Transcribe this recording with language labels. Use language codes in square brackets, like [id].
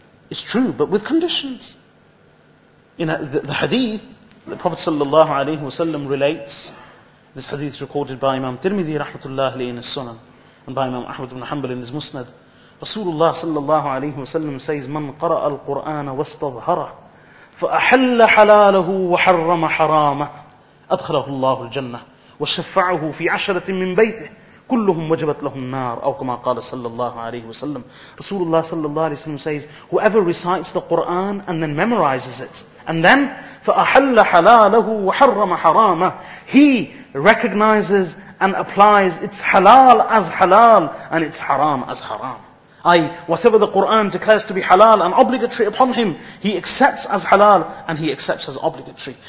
[en] It's true, but with conditions. You know, the hadith, the Prophet sallallahu alayhi wasallam relates, this hadith recorded by Imam Tirmidhi rahmatullah alayhi in his sunan, and by Imam Ahmad ibn Hanbal in his musnad, Rasulullah sallallahu alayhi wasallam says, [ar] "Man qara'a al-Qur'ana wastadhara, fa'ahalla halalahu wa harrama harama, adkhalahu Allahu al-Jannah. وشفعه في عشرة من بيته كلهم وجبت لهم النار أو كما قال صلى الله عليه وسلم." [en] Rasulullah صلى الله عليه وسلم says, whoever recites the Quran and then memorizes it, and then [ar] فأحل حلاله وحرم حرامه, [en] he recognizes and applies its halal as halal and its haram as haram. Whatever the Quran declares to be halal and obligatory upon him, he accepts as halal and he accepts as obligatory.